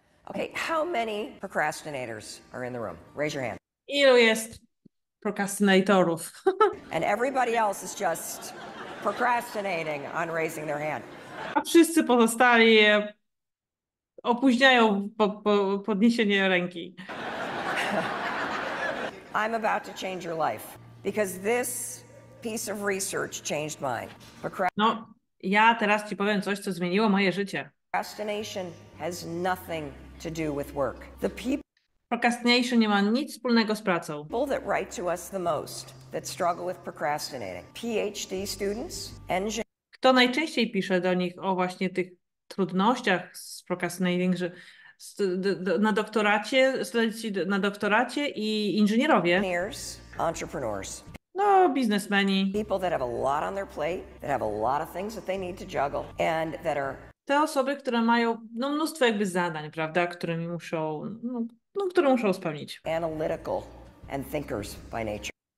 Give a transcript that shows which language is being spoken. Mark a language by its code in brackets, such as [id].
[en] Okay, how many procrastinators are in the room? Raise your hand. [pl] Ilu jest procrastinatorów? [en] And everybody else is just procrastinating on raising their hand. [pl] A wszyscy pozostali opóźniają podniesienie ręki. [en] I'm about to change your life because this piece of research changed mine. [pl] No, ja teraz ci powiem coś, co zmieniło moje życie. [en] Procrastination has nothing to do with work. [pl] Procrastination nie ma nic wspólnego z pracą. [en] People that write to us the most that struggle with procrastinating. PhD students, engineers. [pl] Kto najczęściej pisze do nich o właśnie tych trudnościach z procrastinating, że na doktoracie, studenci na doktoracie i inżynierowie. [en] Entrepreneurs. [pl] No, biznesmeni. [en] People that have a lot on their plate, that have a lot of things that they need to juggle and that are [pl] te osoby, które mają no, mnóstwo jakby zadań, prawda, którymi muszą, no, które muszą spełnić. [en] Analytical and thinkers by nature.